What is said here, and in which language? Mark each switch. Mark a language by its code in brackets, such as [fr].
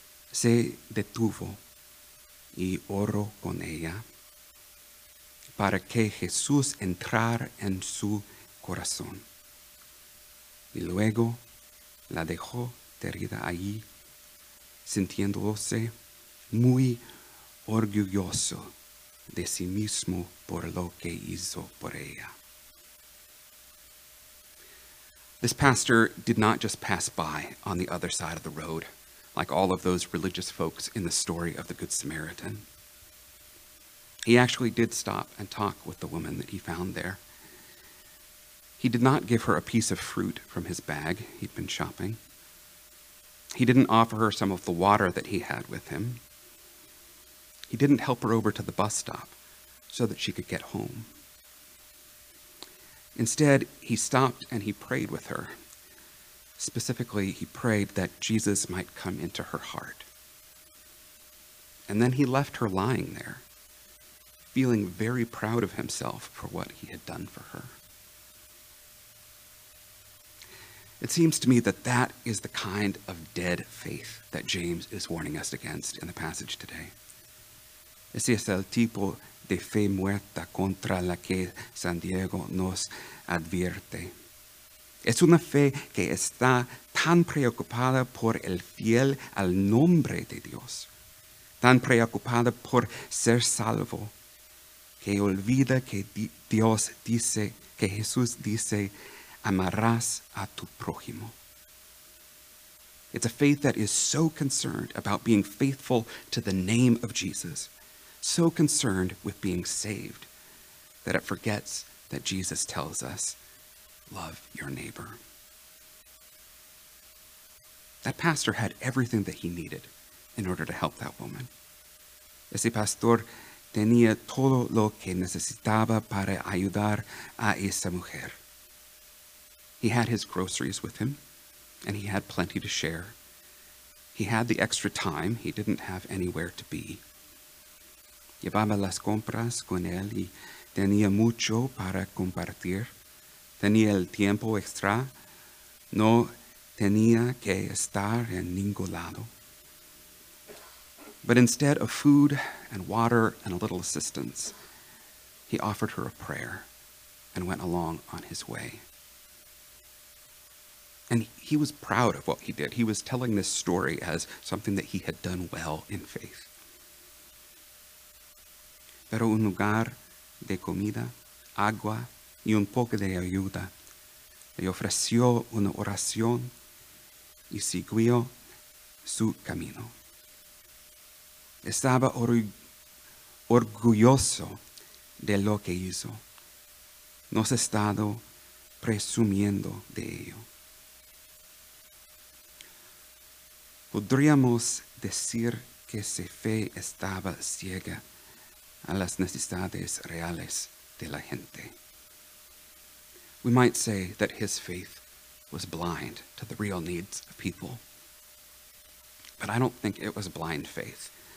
[es] Se detuvo y oró con ella para que Jesús entrara en su corazón. Y luego la dejó tendida allí, sintiéndose muy orgulloso de sí mismo por lo que hizo por ella. [en] This pastor did not just pass by on the other side of the road, like all of those religious folks in the story of the Good Samaritan. He actually did stop and talk with the woman that he found there. He did not give her a piece of fruit from his bag he'd been shopping. He didn't offer her some of the water that he had with him. He didn't help her over to the bus stop so that she could get home. Instead, he stopped and he prayed with her. Specifically, he prayed that Jesus might come into her heart. And then he left her lying there, feeling very proud of himself for what he had done for her. It seems to me that that is the kind of dead faith that James is warning us against in the passage today. [es] Ese es el tipo de fe muerta contra la que Santiago nos advierte. Es una fe que está tan preocupada por el fiel al nombre de Dios, tan preocupada por ser salvo, que olvida que Dios dice, que Jesús dice, amarás a tu prójimo. [en] It's a faith that is so concerned about being faithful to the name of Jesus, so concerned with being saved, that it forgets that Jesus tells us, love your neighbor. That pastor had everything that he needed in order to help that woman. [es] Ese pastor tenía todo lo que necesitaba para ayudar a esa mujer. [en] He had his groceries with him, and he had plenty to share. He had the extra time. He didn't have anywhere to be. [es] Llevaba las compras con él y tenía mucho para compartir. Tenía el tiempo extra. No tenía que estar en ningún lado. [en] But instead of food and water and a little assistance, he offered her a prayer and went along on his way. And he was proud of what he did. He was telling this story as something that he had done well in faith. [es] Pero un lugar de comida, agua y un poco de ayuda, le ofreció una oración y siguió su camino. Estaba orgulloso de lo que hizo. No se estaba presumiendo de ello. Podríamos decir que su fe estaba ciega a las necesidades reales de la gente. [en] We might say that his faith was blind to the real needs of people. But I don't think it was blind faith.